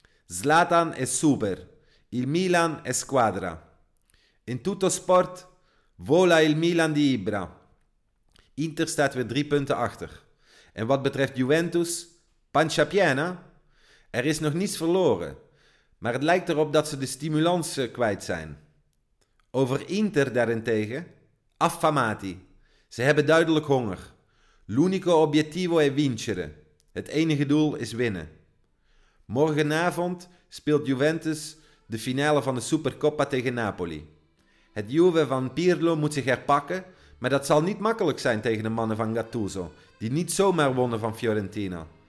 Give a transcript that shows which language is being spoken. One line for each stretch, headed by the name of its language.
Italian: Zlatan è super, il Milan è squadra. In tutto sport, vola il Milan di Ibra.
Dutch: Inter staat weer 3 punten achter. En wat betreft Juventus,
Italian: pancia piena.
Dutch: Er is nog niets verloren, maar het lijkt erop dat ze de stimulans kwijt zijn. Over Inter daarentegen,
Italian: affamati.
Dutch: Ze hebben duidelijk honger.
Italian: L'unico obiettivo è vincere.
Dutch: Het enige doel is winnen. Morgenavond speelt Juventus de finale van de Supercoppa tegen Napoli. Het Juve van Pirlo moet zich herpakken, maar dat zal niet makkelijk zijn tegen de mannen van Gattuso, die niet zomaar wonnen van Fiorentina.